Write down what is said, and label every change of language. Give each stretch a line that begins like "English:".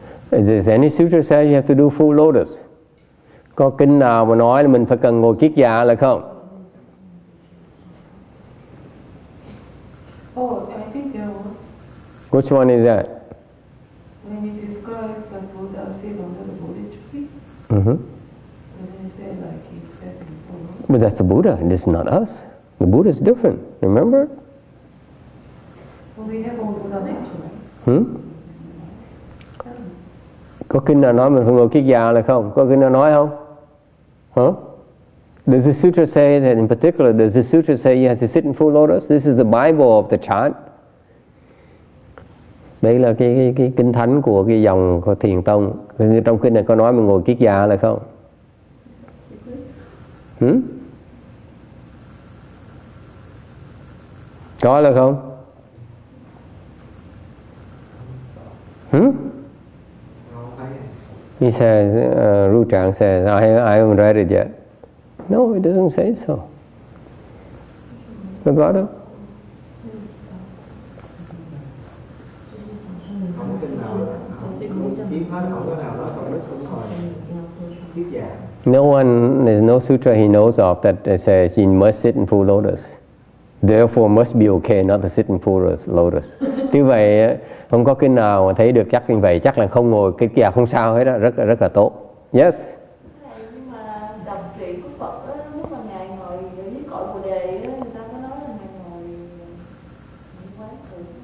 English: Is there any sutra say you have to do full lotus?
Vietnamese: Có kinh nào mà nói là mình phải cần ngồi kiết già là không?
English: Oh, I think there was. Which one is that? When he describes the Buddha sit under the Bodhi tree. Mm-hmm. And then he said like he said before. But that's the Buddha, and this is not us. The Buddha is different, remember? Well, we have all Buddha nature, right?
Vietnamese: Có kinh nào nói mình phải ngồi kiết già là không? Có kinh nào nói không? Huh?
English: Does the sutra say that in particular, does the sutra say you have to sit in full lotus? This is the Bible of the chant.
Vietnamese: Đây là cái kinh thánh của cái dòng của thiền tông. Trong kinh này có nói mình ngồi kiết già là không? Hmm? Có là không? Hmm?
English: He says, Ru Chang says, I haven't read it yet. No, it doesn't say so. The Gata? No one, there's no sutra he knows of that says he must sit in full lotus. Therefore must be okay not to sit in full lotus.
Vietnamese: Thế vậy không có kinh nào mà thấy được chắc như vậy, chắc là không ngồi cái kia không sao hết đó, rất là tốt.
English: Yes.
Vietnamese: Nhưng mà đồng trị của Phật á, lúc mà ngài ngồi dưới cội Bồ đề á, người ta có nói là ngài ngồi quá trời.